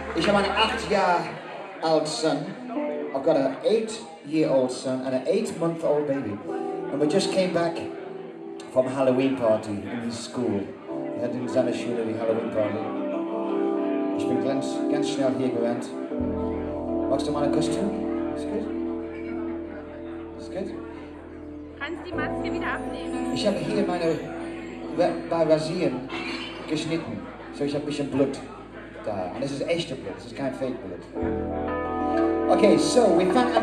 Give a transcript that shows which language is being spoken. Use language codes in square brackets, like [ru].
[de] Ich habe einen [en] 8-year-old son. I've got an 8-year-old son and an 8-month-old baby. And we just came back from a Halloween party in his school. We had [de] in seiner Schule [en] the Halloween party. [de] Ich bin ganz, ganz schnell hier gerannt. Magst du meine Kostüm? Ist gut? Ist gut? Kannst die Maske wieder abnehmen? Ich habe hier meine bei Rasieren geschnitten. So ich habe ein bisschen Blut. [en] And this is extra blood, this is kind of fake blood. Okay, so we found out.